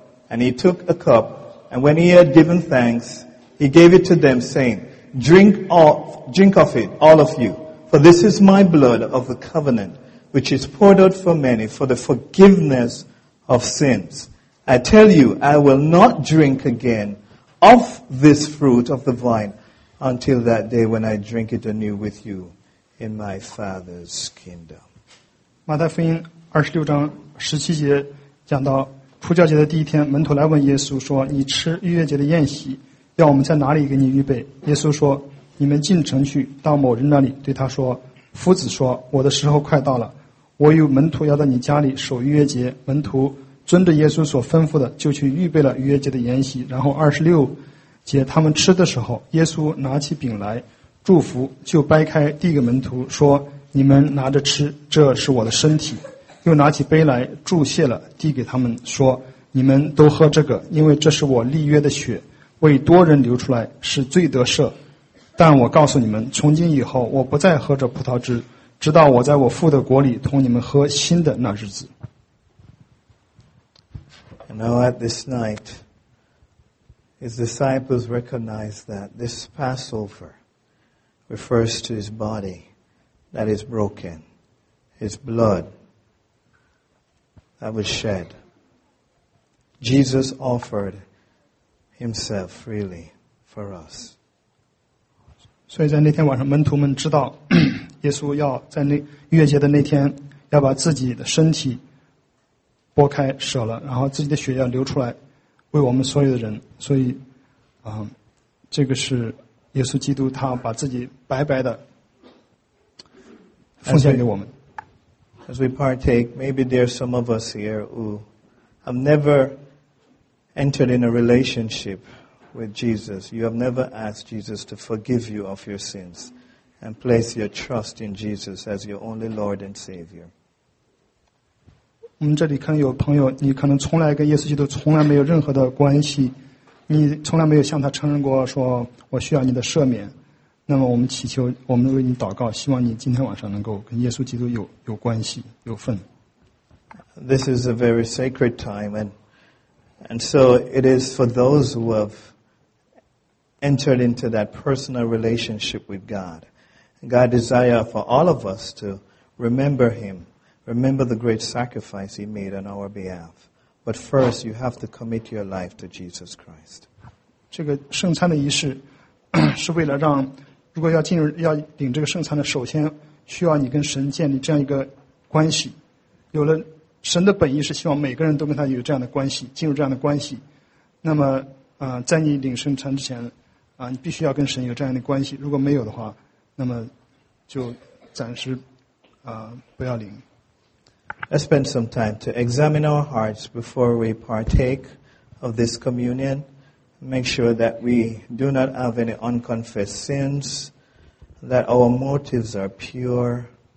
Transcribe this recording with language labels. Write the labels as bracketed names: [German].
[English] And he took a cup, and when he had given thanks, he gave it to them, saying, Drink of it, all of you, for this is my blood of the covenant, which is poured out for many for the forgiveness of sins. I tell you, I will not drink again of this fruit of the vine until that day when I drink it anew with you in my Father's kingdom. [Chinese] 马太福音26章17节讲到普教节的第一天，门徒来问耶稣说，你吃逾越节的宴席，要我们在哪里给你预备？耶稣说，你们进城去，到某人那里，对他说，夫子说，我的时候快到了，我与门徒要在你家里守逾越节。门徒遵着耶稣所吩咐的，就去预备了逾越节的筵席。然后26节，他们吃的时候，耶稣拿起饼来祝福，就掰开递给门徒说，你们拿着吃，这是我的身体。又拿起杯来祝谢了，递给他们说，你们都喝这个，因为这是我立约的血，为多人流出来，是罪得赦。但我告诉你们，从今以后我不再喝这葡萄汁，直到我在我父的国里同你们喝新的那日子。 [English] And now at this night, his disciples recognize that this Passover refers to his body that is broken, his blood that was shed. Jesus offered himself freely for us. [Chinese] 所以在那天晚上，门徒们知道耶稣要在那逾越节的那天要把自己的身体剥开舍了，然后自己的血要流出来为我们所有的人。所以这个是耶稣基督他把自己白白的奉献给我们。 [English] As we partake, maybe there are some of us here who have never entered in a relationship with Jesus. You have never asked Jesus to forgive you of your sins and place your trust in Jesus as your only Lord and Savior. [Chinese] 我们这里可能有朋友，你可能从来跟耶稣基督从来没有任何的关系，你从来没有向他承认过说我需要你的赦免。那么我们祈求，我们为你祷告，希望你今天晚上能够跟耶稣基督有关系，有份。 [English] This is a very sacred time, and so it is for those who have entered into that personal relationship with God. God desires for all of us to remember Him, remember the great sacrifice He made on our behalf. But first, you have to commit your life to Jesus Christ. [Chinese] 这个圣餐的仪式是为了让，如果要进入要领这个圣餐的，首先需要你跟神建立这样一个关系。有了神的本意是希望每个人都跟他有这样的关系，进入这样的关系。那么，在你领圣餐之前，你必须要跟神有这样的关系，如果没有的话，那么就暂时不要领。 [English] Let's spend some time to examine our hearts before we partake of this communion. Make sure that we do not have any unconfessed sins, that our motives are pure.